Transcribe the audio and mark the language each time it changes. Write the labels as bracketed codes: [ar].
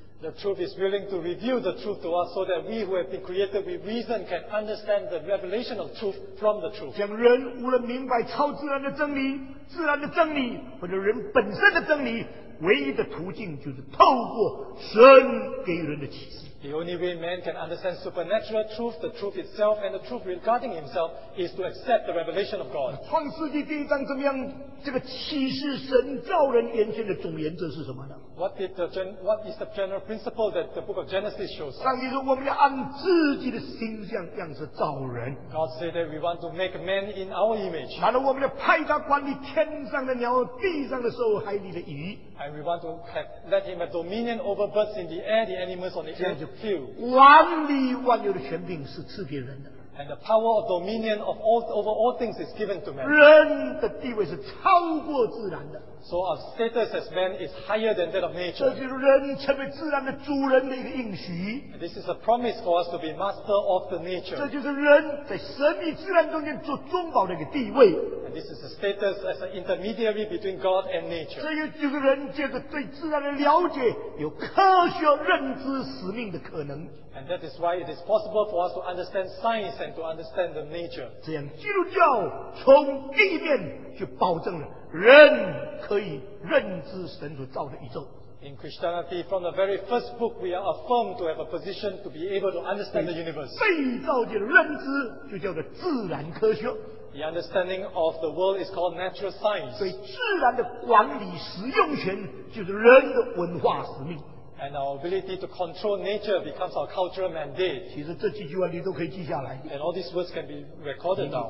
[en] The truth is willing to reveal the truth to us so that we who have been created with reason can understand the revelation of truth from the truth. [zh] 将人无论明白超自然的真理，自然的真理，或者人本身的真理，唯一的途径就是透过神给人的启示。 [en] The only way man can understand supernatural truth, the truth itself, and the truth regarding himself, is to accept the revelation of God. [zh] 创世纪第一章怎么样？这个启示神造人原先的总原则是什么呢？ [en] What is the general principle that the book of Genesis shows? [zh] 上帝说我们要按自己的形象样式造人。 [en] God said that we want to make man in our image. [zh] 然后我们要派他管理天上的鸟、地上的兽、海里的鱼。 [en] And we want to let him have dominion over birds in the air, the animals on the earth, too. [zh] 管理万有的权柄是赐给人的。 [en] And the power of dominion of all, over all things is given to man. [zh] 人的地位是超过自然的。 [en] So our status as man is higher than that of nature. [zh] 这就是人成为自然的主人的一个应许。 [en] And this is a promise for us to be master of the nature. [zh] 这就是人在神与自然中间做中保的一个地位。 [en] And this is a status as an intermediary between God and nature. [zh] 这就是人借着对自然的了解，有科学认知使命的可能。 [en] And that is why it is possible for us to understand science and to understand the nature. [zh] 这样基督教从地面就保证了。人可以认知神所造的宇宙。 [en] In Christianity, from the very first book, we are affirmed to have a position to be able to understand the universe. [zh] 被造界的认知就叫做自然科学。 [en] The understanding of the world is called natural science. [zh] 所以自然的管理使用权就是人的文化使命。 [en] And our ability to control nature becomes our cultural mandate. [zh] 其实这几句话你都可以记下来。 [en] And all these words can be recorded down.